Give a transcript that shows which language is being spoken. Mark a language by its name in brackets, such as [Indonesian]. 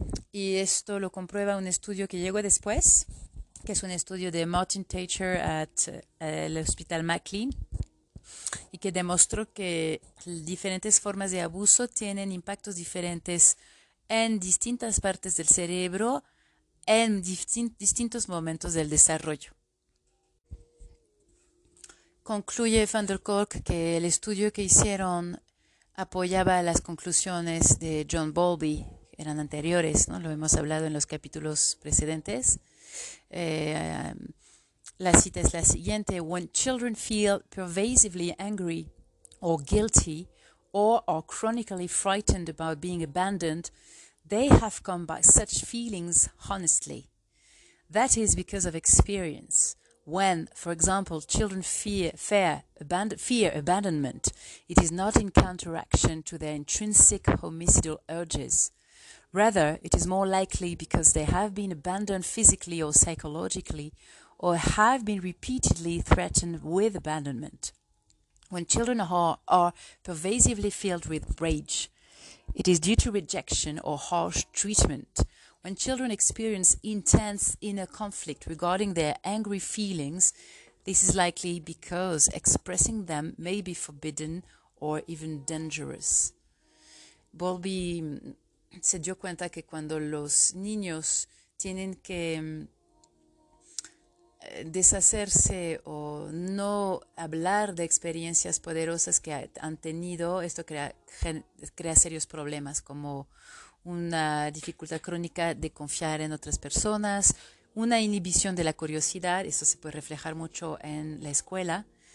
[Spanish] Y esto lo comprueba un estudio que llegó después, que es un estudio de Martin Teicher at el Hospital McLean, y que demostró que diferentes formas de abuso tienen impactos diferentes en distintas partes del cerebro, en distintos momentos del desarrollo. Concluye Van der Kolk que el estudio que hicieron apoyaba las conclusiones de John Bowlby, eran anteriores, ¿no? Lo hemos hablado en los capítulos precedentes. La cita es la siguiente: When children feel pervasively angry or guilty or are chronically frightened about being abandoned, they have come by such feelings honestly. [English] That is because of experience. When, for example, children fear abandonment, it is not in counteraction to their intrinsic homicidal urges. Rather, it is more likely because they have been abandoned physically or psychologically, or have been repeatedly threatened with abandonment. When children are pervasively filled with rage, it is due to rejection or harsh treatment. When children experience intense inner conflict regarding their angry feelings, this is likely because expressing them may be forbidden or even dangerous. [Spanish] Bowlby se dio cuenta que cuando los niños tienen que deshacerse o no hablar de experiencias poderosas que han tenido, esto crea serios problemas, como una dificultad crónica de confiar en otras personas, una inhibición de la curiosidad, eso se puede reflejar mucho en la escuela,